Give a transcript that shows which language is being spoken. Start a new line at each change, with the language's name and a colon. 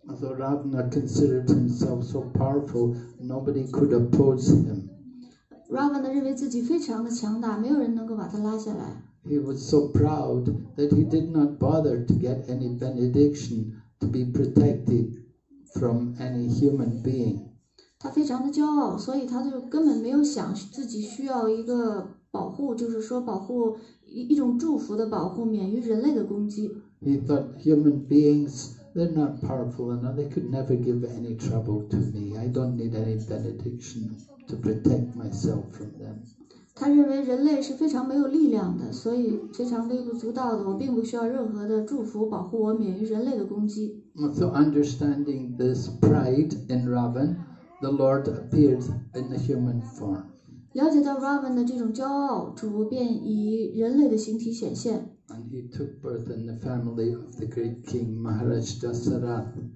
English: So Ravana considered himself so powerful, nobody could oppose him.
Chinese: Ravana 认为自己非常的强大，没有人能够把他拉下来。
English: He was so proud that he did not bother to get any benediction to be protected from any human being.
Chinese: 他非常的骄傲，所以他就根本没有想自己需要一个保护，就是说保护一种祝福的保护，免于人类的攻击。
English: He thought human beings, they're not powerful enough, they could never give any trouble to me. I don't need any benediction to protect myself from them.
Chinese: 他认为人类是非常没有力量的，所以非常微不足道的，我并不需要任何的祝福保护我免于人类的攻击。
English: So understanding this pride in Ravan, the Lord appeared in the human form.
Chinese: 了解到 Ravan 的这种骄傲，主便以人类的形体显现。
English: And he took birth in the family of the great king Maharaj Dasarath.